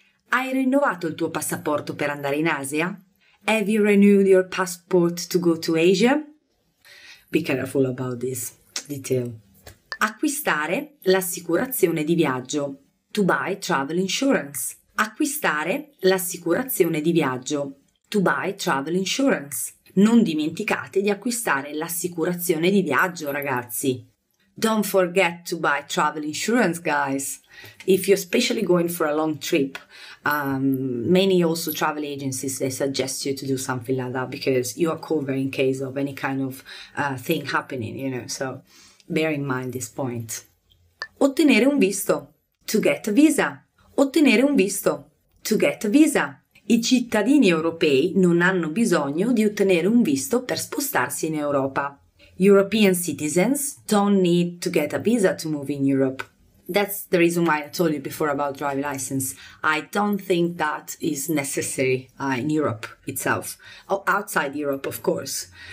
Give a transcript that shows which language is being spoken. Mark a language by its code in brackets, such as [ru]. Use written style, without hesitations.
[it] Hai rinnovato il tuo passaporto per andare in Asia? [en] Have you renewed your passport to go to Asia? Be careful about this detail. [it] Acquistare l'assicurazione di viaggio. [en] To buy travel insurance. [it] Acquistare l'assicurazione di viaggio. [en] To buy travel insurance. [it] Non dimenticate di acquistare l'assicurazione di viaggio, ragazzi. [en] Don't forget to buy travel insurance, guys. If you're especially going for a long trip, many also travel agencies, they suggest you to do something like that because you are covered in case of any kind of thing happening, you know. So bear in mind this point. [it] Ottenere un visto. [en] To get a visa. [it] Ottenere un visto. [en] To get a visa. [it] I cittadini europei non hanno bisogno di ottenere un visto per spostarsi in Europa. [en] European citizens don't need to get a visa to move in Europe. That's the reason why I told you before about driving license. I don't think that is necessary in Europe itself. Oh, outside Europe, of course.